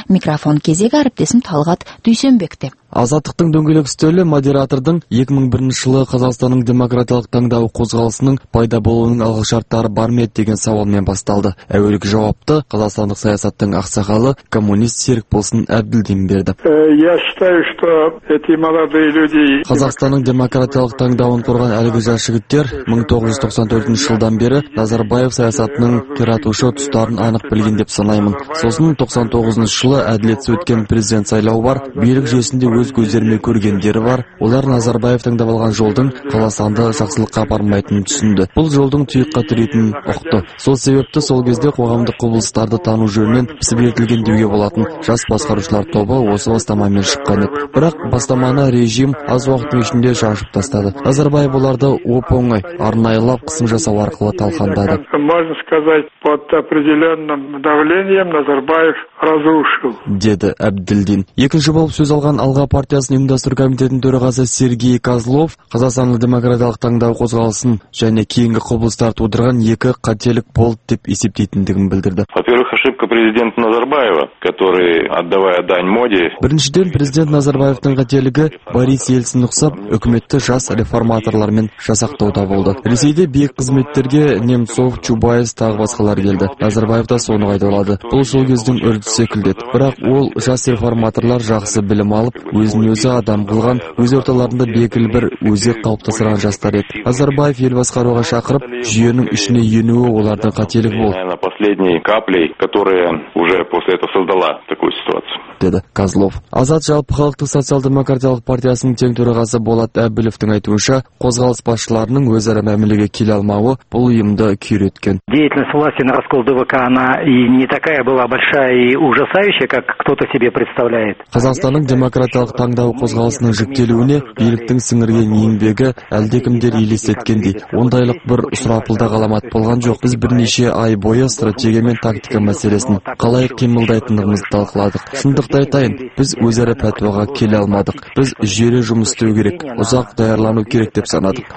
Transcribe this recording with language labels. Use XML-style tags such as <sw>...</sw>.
<kk>Микрофон кезегі әріптесім Талғат Дүйсенбекте. Азаттықтың дөңгелек үстелі модератордың 2001 жылы Қазақстанның демократиялық таңдау қозғалысының пайда болуының алғышарттары бар ма деген сауалмен басталды. Әуелгі жауапты қазақстандық саясаттың ақсақалы коммунист Серікболсын Әбділдин берді.</kk> <ru>Я считаю, что эти молодые люди</ru> <kk>Қазақстанның демократиялық таңдауын құрған әлгі жас жігіттер 1994 жылдан бері Назарбаев саясатының қиратушы тұстарын анық білген деп санаймын. Сосын 99 жылы әділетсіз өткен президент сайлауы бар, билік жүйесінде өз көздеріме көргендері бар. Олар Назарбаевтың да болған жолдың қаласанды жақсылыққа апармайтынын түсінді. Бұл жолдың тұйыққа тірейтінін ұқты. Сол себепті сол кезде қоғамдық құбылыстарды тану жөнінен пісіретілген деуге болатын жас басқарушылар тобы осы бастамамен шыққан еді. Бірақ бастаманы режим аз уақыттың ішінде шашып тастады. Назарбаев оларды оп-оңай арнайылап қысым жасау арқылы талқандады.</kk> <ru>Можно сказать, под определенным давлением Назарбаев разрушил,</ru> <kk>деді Әбділдин. Екінші болып сөз алған Алға партиясының ұйымдастыру комитетінің төрағасы Сергей Козлов Қазақстанның демократиялық таңдау қозғалысын және кейінгі құбылыстар тудырған екі қателік болды деп есептейтіндігін білдірді.</kk> <ru>Во-первых, ошибка президента Назарбаева, который отдавая дань моде.</ru> <kk>Біріншіден президент Назарбаевтың қателігі Борис Ельцин ұқсап, үкіметті жас реформаторлармен жасақтауда болды. Ресейде биік қызметтерге Немцов, Чубайс тағы басқалар келді. Назарбаев та соны айтады. Бұл сол кездің үрдісі секілді. Бірақ ол жас реформаторлар жақсы білім алып, өзін өзі адам қылған, өз орталарында белгілі бір өзек қалыптастырған жастар еді. Назарбаев ел басқаруға шақырып, жүйенің ішіне енуі олардың қателігі болды.</kk> <ru>Последней каплей, которая уже после этого создала такую ситуацию.</ru> <kk>Деді Козлов. Азат жалпы халықтық социал-демократиялық партиясының тең төрағасы Болат Әбілевтің айтуынша, қозғалыс басшыларының өзара мәмілеге келе алмауы бұл ұйымды күйреткен.</kk> <ru>Деятельность власти на раскол ДВК, она и не такая была большая и ужасающая, как кто-то себе представляет.</ru> <kk>Қазақстанның демократиялық таңдау қозғалысының жүктелуіне биліктің сіңірген еңбегі әлдекімдер елестеткендей, ондайлық бір сұрапылда ғаламат болған жоқ. Біз бірнеше ай бойы стратегия мен тактика мәселесін қалай қимылдайтынымызды талқыладық. Шындықты айтайын, біз өзара пәтуаға келе алмадық. Біз жүйелі жұмыс істеу керек, ұзақ даярлану керек деп санадық.</kk>